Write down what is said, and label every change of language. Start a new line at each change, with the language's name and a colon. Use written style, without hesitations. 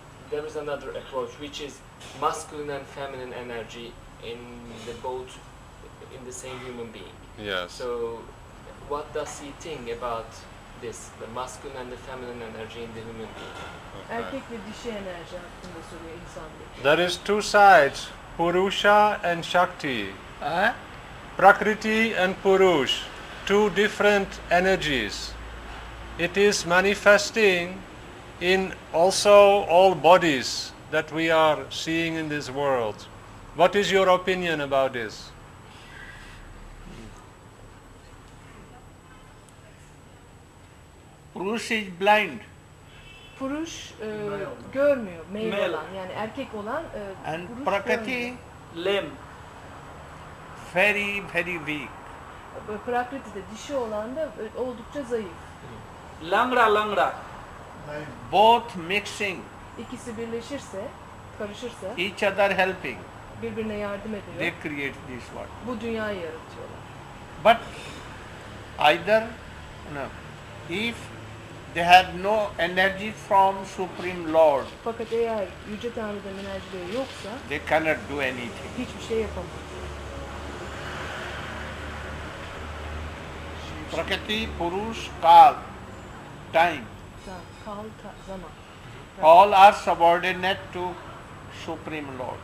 English: there is another approach, which is masculine and feminine energy in the both, in the same human being. Yes. So what does he think about this, the masculine and the feminine energy in the human being?
Turkish: Erkek ve dişi enerji hakkında soruyor insan diye.
English: There is two sides, Purusha and Shakti. Prakriti and Purush, two different energies. It is manifesting in also all bodies that we are seeing in this world. What is your opinion about this? Purush is blind.
Turkish: Purush görmüyor, male olan, yani erkek olan
English: and Prakriti, limb. Very, very weak.
Turkish: Prakriti de dişi olan da oldukça zayıf.
Hindi: Langra, langra.
English: Both mixing.
Turkish: İkisi birleşirse, karışırsa.
English: Each other helping.
Turkish: Birbirine yardım ediyor.
English: They create this world.
Turkish: Bu dünyayı yaratıyorlar.
English: But either, no, if they have no energy from Supreme Lord.
Turkish: Fakat eğer Yüce Tanrı'dan enerjileri yoksa.
English: They cannot do anything.
Turkish: Hiçbir şey yapamaz.
English: Prakriti, Purush, Kal, time.
Turkish: Kal, zaman.
English: All are subordinate to Supreme Lord.